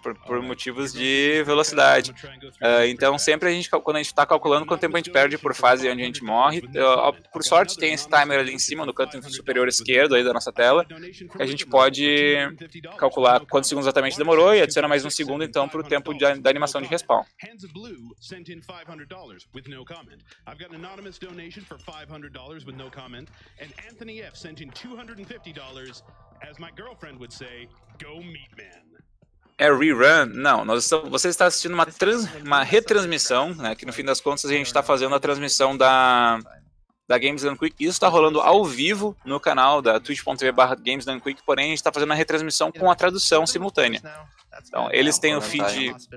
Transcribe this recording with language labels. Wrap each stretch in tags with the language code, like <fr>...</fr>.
<pt>Por motivos de velocidade. Então, sempre quando a gente tá calculando quanto tempo a gente perde por fase onde a gente morre, por sorte tem esse timer ali em cima, no canto superior esquerdo aí da nossa tela, a gente pode calcular quantos segundos exatamente demorou e adiciona mais um segundo, então, pro tempo da animação de respawn.</pt> <en>Hands of Blue sent in $500 with no comment. I've got an anonymous donation for $500 with no comment. And Anthony F. sent in $250, as my girlfriend would say, go meat man.</en> <pt>É rerun? Não, você está assistindo uma retransmissão, né, que no fim das contas a gente está fazendo a transmissão da Games Done Quick. Isso está rolando ao vivo no canal da twitch.tv/gamesdonequick, porém a gente está fazendo a retransmissão com a tradução simultânea. Então, eles têm o feed de...</pt>